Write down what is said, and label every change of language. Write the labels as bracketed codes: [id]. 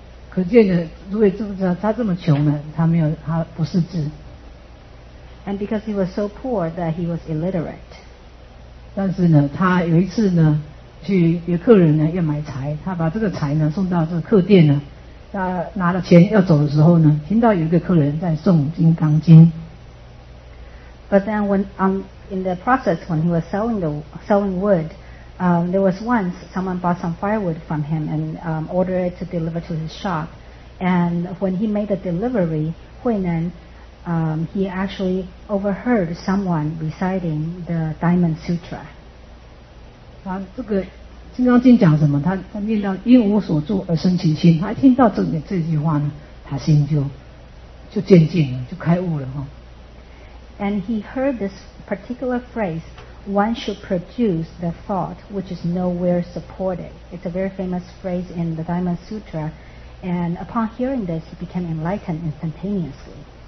[zh] 可见呢，如果他这么穷呢，他不识字。 [en] And because he was so poor that he was illiterate. [zh] 但是呢，他有一次呢，去有客人呢要买柴，他把这个柴呢送到这个客店呢，他拿了钱要走的时候呢，听到有一个客人在诵《金刚经》。 [en] But then when in the process when he was selling wood, there was once someone bought some firewood from him and ordered it to deliver to his shop. And when he made the delivery, Huainan. He actually overheard someone reciting the Diamond Sutra. [zh] 他这个《金刚经》讲什么？他念到“因无所住而生其心”，他一听到这句话呢，他心就渐进了，就开悟了哈。 [en] And he heard this particular phrase: "One should produce the thought which is nowhere supported." It's a very famous phrase in the Diamond Sutra. And upon hearing this, he became enlightened instantaneously.